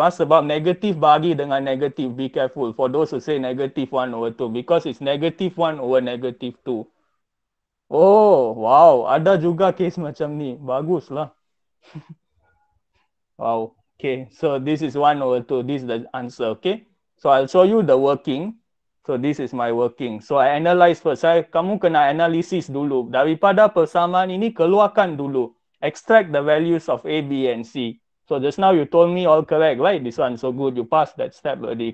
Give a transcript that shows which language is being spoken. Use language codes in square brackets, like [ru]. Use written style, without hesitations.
[ms] Sebab negatif bagi dengan negatif. [en] Be careful for those who say negative 1 over 2. Because it's negative 1 over negative 2. [ms] Oh, wow. Ada juga case macam ni. Bagus lah. [en] Wow. Okay. So, this is 1 over 2. This is the answer. Okay. So, I'll show you the working. So, this is my working. So, I analyze first. [ms] Kamu kena analysis dulu. Daripada persamaan ini, keluarkan dulu. [en] Extract the values of A, B, and C. So, just now you told me all correct, right? This one, so good. You passed that step already.